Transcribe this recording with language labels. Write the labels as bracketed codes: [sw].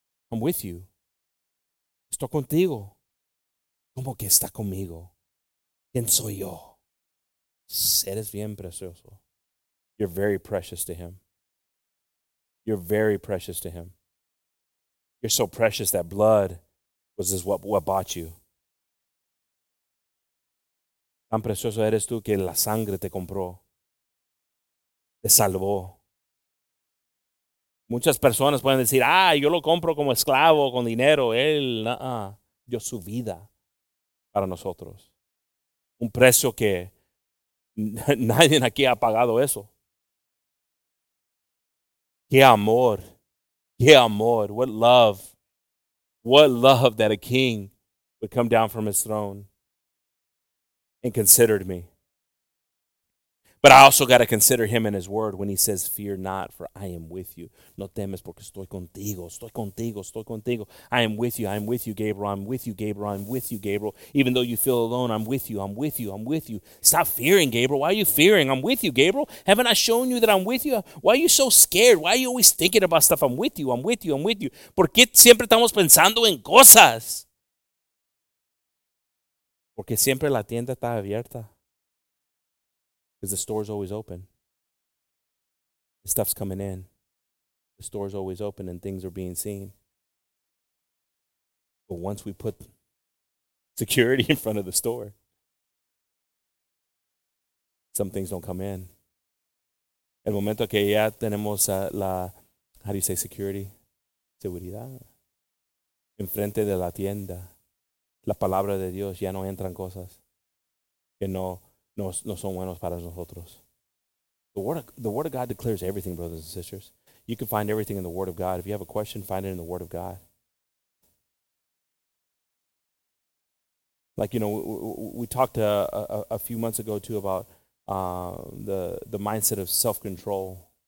[en] I'm with you. [es] Estoy contigo. ¿Cómo que está conmigo? ¿Quién soy yo? Eres bien precioso. [en] You're very precious to him. You're very precious to him. You're so precious that blood was this what bought you. [es] Tan precioso eres tú que la sangre te compró. Te salvó. Muchas personas pueden decir, ah, yo lo compro como esclavo, con dinero. Él, dio su vida para nosotros. Un precio que nadie aquí ha pagado eso. Qué amor. Qué amor. [en] What love. What love that a king would come down from his throne and considered me. But I also got to consider him in his word when he says, fear not, for I am with you. [es] No temes porque estoy contigo, estoy contigo, estoy contigo. [en] I am with you, I am with you, Gabriel. I'm with you, Gabriel. I'm with you, Gabriel. Even though you feel alone, I'm with you, I'm with you, I'm with you. Stop fearing, Gabriel. Why are you fearing? I'm with you, Gabriel. Haven't I shown you that I'm with you? Why are you so scared? Why are you always thinking about stuff? I'm with you, I'm with you, I'm with you. [es] ¿Por qué siempre estamos pensando en cosas? Porque siempre la tienda está abierta. [en] Because the store is always open. The stuff's coming in. The store is always open and things are being seen. But once we put security in front of the store, some things don't come in. [es] El momento que ya tenemos la, [en] how do you say security? [es] Seguridad. Enfrente de la tienda. La palabra de Dios ya no entran cosas que no son buenos para nosotros. [en] The word of God declares everything, brothers and sisters. You can find everything in the word of God. If you have a question, find it in the word of God. Like, you know, we talked a few months ago too about the mindset of self-control.